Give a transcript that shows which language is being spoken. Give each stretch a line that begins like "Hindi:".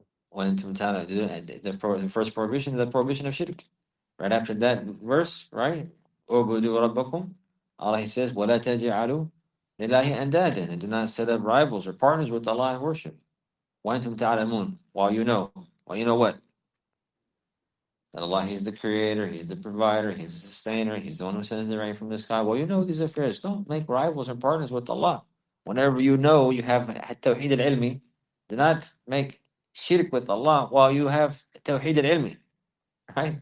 English: When the first prohibition is the prohibition of shirk. Right after that verse, right?
Arabic: Ubudu rabbakum. Allah,
English: He says,
Arabic: وَلَا تَجْعَلُوا لِلَّهِ أَنْدَادًا.
English: And do not set up rivals or partners with Allah in worship.
Arabic: وَأَنْتُمْ تَعْلَمُونَ.
English: While you know. While you know what? That Allah, He's the creator, He's the provider, He's the sustainer, He's the one who sends the rain from the sky. Well, you know these affairs. Don't make rivals or partners with Allah. Whenever you know you have التوحيد العلمي, do not make shirk with Allah while you have tawheed al-ilmi, right?